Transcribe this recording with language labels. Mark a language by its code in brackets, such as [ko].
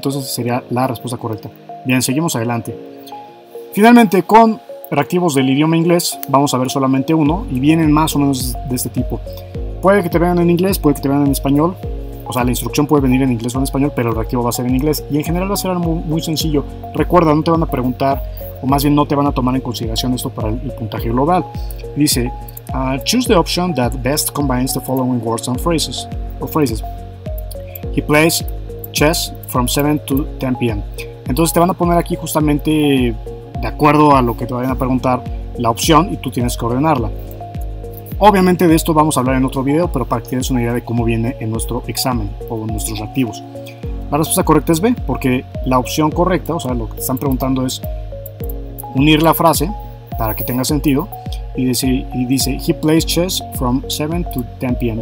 [es] Entonces sería la respuesta correcta. Bien, seguimos adelante. Finalmente, con reactivos del idioma inglés, vamos a ver solamente uno y vienen más o menos de este tipo. Puede que te vean en inglés, puede que te vean en español. O sea, la instrucción puede venir en inglés o en español, pero el reactivo va a ser en inglés. Y en general va a ser algo muy sencillo. Recuerda, no te van a preguntar, o más bien no te van a tomar en consideración esto para el puntaje global. Dice, [en] choose the option that best combines the following words and phrases. Or phrases. He plays chess from 7 to 10 p.m. [es] Entonces te van a poner aquí justamente, de acuerdo a lo que te vayan a preguntar, la opción y tú tienes que ordenarla. Obviamente de esto vamos a hablar en otro video, pero para que tengas una idea de cómo viene en nuestro examen o en nuestros reactivos. La respuesta correcta es B, porque la opción correcta, o sea, lo que te están preguntando es unir la frase para que tenga sentido y dice, [en] he plays chess from 7 to 10 p.m.